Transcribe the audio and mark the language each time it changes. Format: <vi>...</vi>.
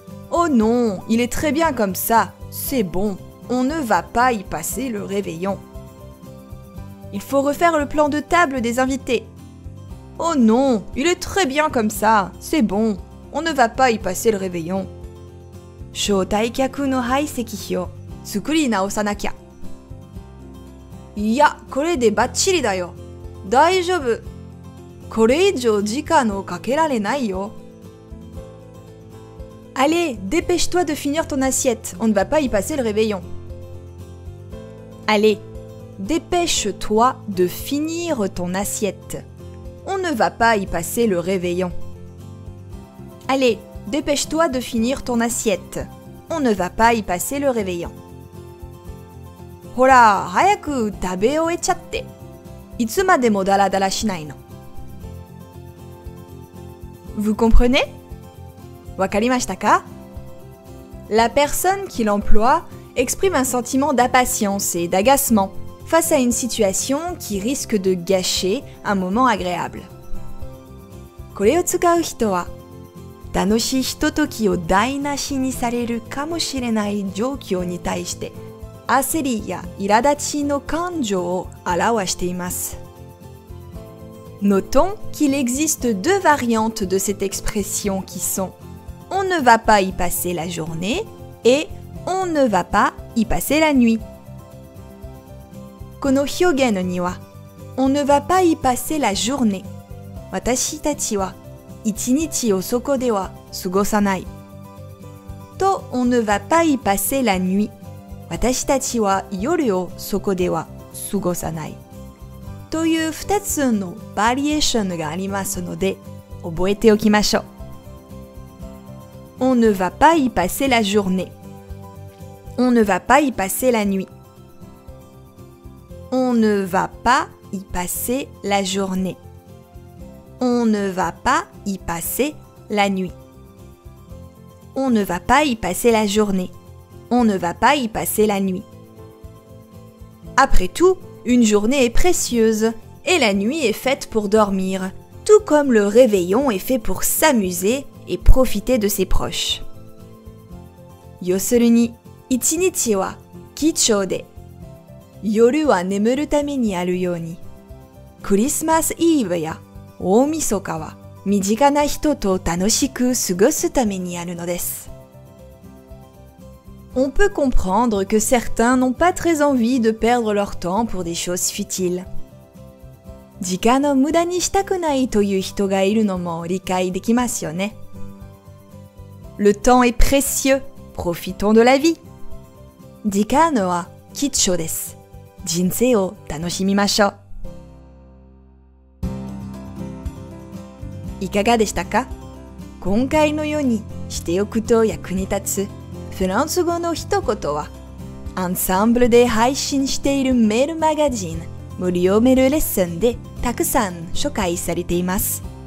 <fr>Oh non, il est très bien comme ça, c'est bon, on ne va pas y passer le réveillon. Il faut refaire le plan de table des invités. Oh non, il est très bien comme ça, c'est bon, on ne va pas y passer le réveillon.</fr> <ja>招待客の排席表、作り直さなきゃ。いや、これでバッチリだよ。大丈夫。これ以上時間をかけられないよ。</ja> <fr>Allez, dépêche-toi de finir ton assiette, on ne va pas y passer le réveillon. Allez, dépêche-toi de finir ton assiette, on ne va pas y passer le réveillon. Allez, dépêche-toi de finir ton assiette, on ne va pas y passer le réveillon.</fr> <ja>ほら、早く食べ終えちゃって。いつまでもダラダラしないの。</ja> <fr>Vous comprenez?</fr> <ja>わかりましたか?</ja> <fr>La personne qui l'emploie exprime un sentiment d'impatience et d'agacement face à une situation qui risque de gâcher un moment agréable.</fr> <ja>これを使う人は、楽しいひとときを台無しにされるかもしれない状況に対して、焦りや苛立ちの感情を表しています。</ja> <fr>Notons qu'il existe deux variantes de cette expression qui sont « On ne va pas y passer la journée » et « On ne va pas y passer la nuit ».</fr> <ja>この表現には</ja> <fr>「On ne va pas y passer la journée」</fr> <ja>私たちは一日をそこでは過ごさないと</ja> <fr>「On ne va pas y passer la nuit」</fr> <ja>私たちは夜をそこでは過ごさないという2つのバリエーションがありますので覚えておきましょう。</ja> <fr>On ne va pas y passer la journée. On ne va pas y passer la nuit. On ne va pas y passer la journée. On ne va pas y passer la nuit. On ne va pas y passer la journée. On ne va pas y passer la nuit. Après tout, une journée est précieuse et la nuit est faite pour dormir, tout comme le réveillon est fait pour s'amuser et profiter de ses proches.</fr> <ja>要するに、一日は貴重で、夜は眠るためにあるように、クリスマスイーブや大晦日は身近な人と楽しく過ごすためにあるのです。</ja> <fr>On peut comprendre que certains n'ont pas très envie de perdre leur temps pour des choses futiles.</fr> <ja>時間を無駄にしたくないという人がいるのも理解できますよね。</ja> <fr>Le temps est précieux, profitons de la vie.</fr> <ja>時間は貴重です。人生を楽しみましょう。いかがでしたか?今回のようにしておくと役に立つ。フランス語の一言は、アンサンブルで配信しているメールマガジン、無料メールレッスンでたくさん紹介されています。</ja>